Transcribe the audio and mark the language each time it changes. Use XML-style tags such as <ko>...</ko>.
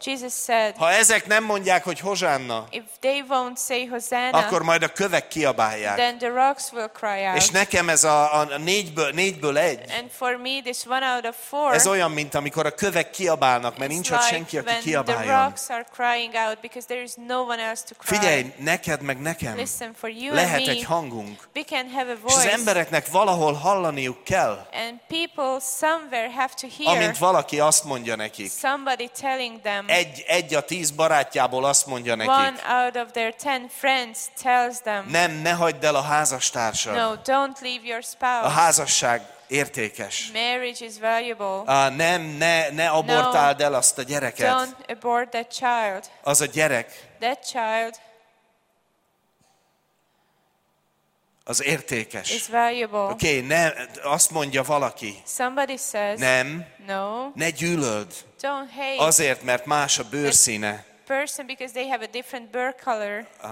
<en>Jesus said.</en> <hu>Ha ezek nem mondják, hogy Hozsánna.</hu> <en>If they won't say Hosanna.</en> <hu>Akkor majd a kövek kiabálják.</hu> <en>Then the rocks will cry out.</en> <hu>És nekem ez a 4-ből 1.</hu> <en>And for me this one out of 4.</en> <hu>Ez olyan, mint amikor a kövek kiabálnak, mert</hu> <en>it's</en> <hu>nincs ott senki, aki kiabáljon.</hu> <en>The rocks are crying out because there is no one else to cry.</en> <hu>Figyelj, neked meg nekem.</hu> <en>Listen, for you</en> <hu>lehet</hu> <en>and me,</en> <hu>egy hangunk.</hu> <en>We can have a voice.</en> <hu>És az embereknek valahol hallaniuk kell.</hu> <en>And people somewhere have to hear.</en> <hu>Amint valaki azt mondja nekik.</hu> <en>Somebody telling them.</en> <hu>Egy a 10 barátjából azt mondja nekik.</hu> <en>One out of their 10 friends tells them.</en> <hu>Nem, ne hagyd el a házastársad.</hu> <en>No, don't leave your spouse.</en> <hu>A házasság értékes.</hu> <en>Marriage is valuable.</en> <hu>Ne abortáld el azt a gyereket.</hu> <en>Don't abort that child.</en> <hu>Az a gyerek.</hu> <en>That child.</en> <hu>Az értékes.</hu> <en>Is valuable.</en> <hu>Okay, ne azt mondja valaki.</hu> <en>Somebody says.</en> <hu>Nem.</hu> <en>No.</en> <hu>Ne gyűlöld.</hu> <en>Don't hate.</en> <hu>Azért, mert más a bőrszíne.</hu> <en>Person because they have a different bur color.</en>